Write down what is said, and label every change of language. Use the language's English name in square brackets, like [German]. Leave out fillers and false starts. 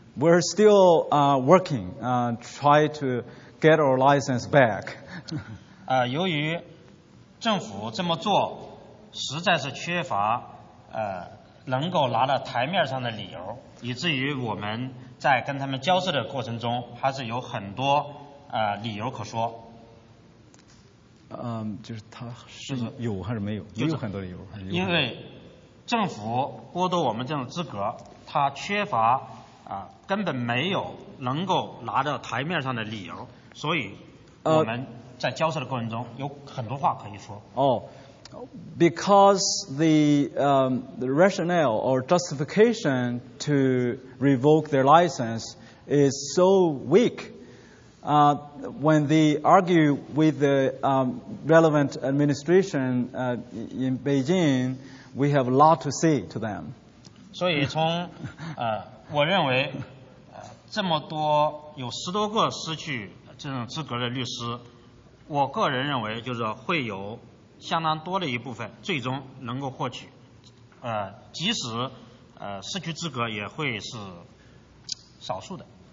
[English] We're still working, try to get our license back. [Chinese] 由于政府这么做实在是缺乏能够拿到台面上的理由，以至于我们在跟他们交涉的过程中还是有很多理由可说。就是他是有还是没有？没有很多理由。因为政府剥夺我们这种资格，他缺乏根本没有能够拿到台面上的理由，所以我们在交涉的过程中有很多话可以说。 [English] Because the rationale or justification to revoke their license is so weak, when they argue with the relevant administration in Beijing, we have a lot to say to them. [Chinese] 所以从我认为这么多有十多个失去这种资格的律师，我个人认为就是会有相当多的一部分最终能够获取，即使失去资格也会是少数的。